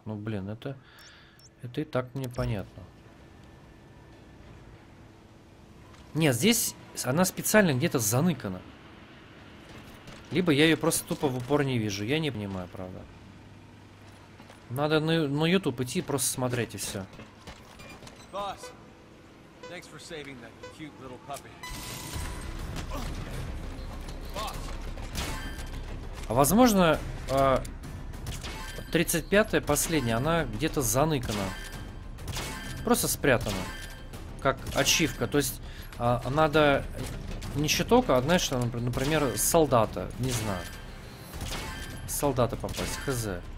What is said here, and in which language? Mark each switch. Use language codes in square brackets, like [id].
[ru] Ну, блин, это и так мне понятно. Нет, здесь она специально где-то заныкана. Либо я ее просто тупо в упор не вижу. Я не понимаю, правда. Надо на YouTube идти и просто смотреть, и все. [en] Босс, thanks for saving that cute little puppy. [ru] А возможно, 35-я, последняя, она где-то заныкана. Просто спрятана. Как ачивка. То есть, надо не щиток, а, знаешь, например, солдата. Не знаю. Солдата попасть. ХЗ.